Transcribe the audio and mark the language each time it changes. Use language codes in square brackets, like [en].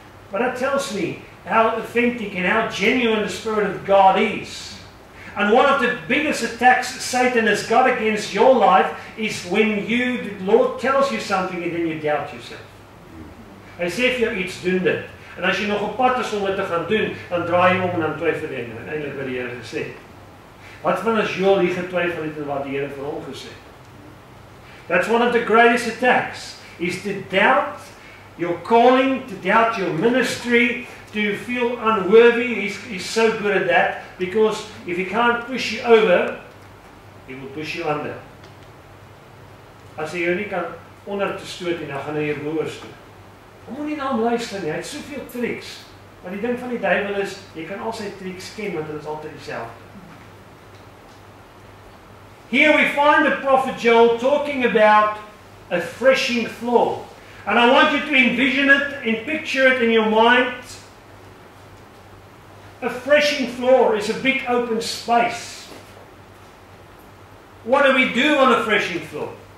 [en] But that tells me how authentic and how genuine the Spirit of God is. And one of the biggest attacks Satan has got against your life is when you, the Lord tells you something and then you doubt yourself. [af] Hy sê vir jou iets, doen dit. En as jy nog op pad is om dit te gaan doen, dan draai jy om en dan twyfel jy. En eintlik wat die Here gesê. Wat van as Joel hier getwyfel het en wat die Here vir hom gesê? [en] That's one of the greatest attacks, is to doubt your calling, to doubt your ministry, to feel unworthy. He's so good at that. Because if he can't push you over, he will push you under. [af] As hy jou nie kan onder te stoot en dan gaan hy jou boer stoot. Hy moet nie na hom luister nie, hy het soveel tricks. Maar die ding van die duivel is, jy kan al sy tricks ken, want dit is altyd dieselfde. [en] Here we find the prophet Joel talking about a threshing floor. And I want you to envision it and picture it in your mind. A threshing floor is a big open space. What do we do on a threshing floor?